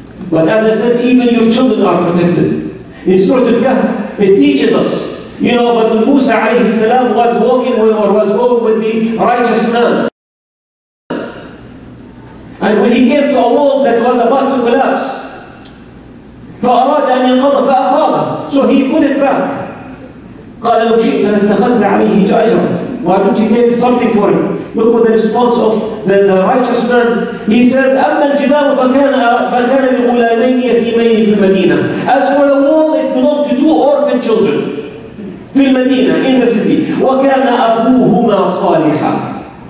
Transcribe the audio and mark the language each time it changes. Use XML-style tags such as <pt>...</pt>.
<en>But as I said, even your children are protected. In Surah Al-Kahf, it teaches us, you know, but when Musa alayhi salam was walking with, or was walking with the righteous man, and when he came to a wall that was about to collapse,</en> <ar>فأراد أن ينقض فأقامه,</ar> <en>so he put it back.</en> <ar>قال لو شئت لاتخذت عليه جائزة.</ar> <en>Why don't you take something for him? Look at the response of the righteous man. He says,</en> <ar>أَمَّا الْجِبَالُ فَكَانَ لِغُلَامَيْنِ يَتِيمَيْنِ فِي الْمَدِينَةِ.</ar> <en>As for the wall, it belonged to two orphan children.</en> <ar>فِي الْمَدِينَةِ,</ar> <en>in the city.</en> <ar>وَكَانَ أَبُوهُمَا صَالِحًا.</ar>